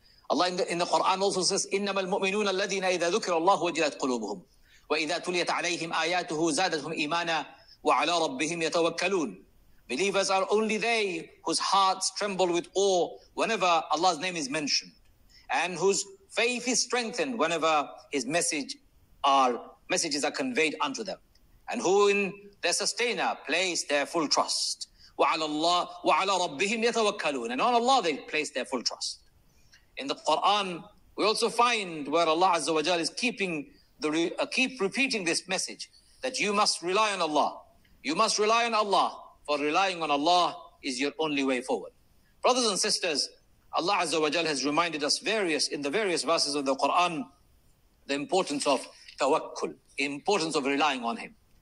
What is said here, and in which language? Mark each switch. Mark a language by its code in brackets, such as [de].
[en] Allah in the Quran also says, [ar] إِنَّمَا الْمُؤْمِنُونَ الَّذِينَ إِذَا ذُكِرَ اللَّهُ وَجِلَتْ قُلُوبُهُمْ وَإِذَا تُلِيَتْ عَلَيْهِمْ آيَاتُهُ زَادَتْهُمْ إِيمَانًا وَعَلَىٰ رَبِّهِمْ يَتَوَكَّلُونَ. [en] Believers are only they whose hearts tremble with awe whenever Allah's name is mentioned, and whose faith is strengthened whenever His messages are conveyed unto them, and who in their sustainer place their full trust. [ar] وعلى الله وعلى ربهم يتوكلون. [en] And on Allah they place their full trust. In the Quran, we also find where Allah Azza wa Jalla is keep repeating this message that you must rely on Allah. You must rely on Allah, for relying on Allah is your only way forward. Brothers and sisters, Allah Azza wa Jalla has reminded us in the various verses of the Quran the importance of tawakkul, importance of relying on Him.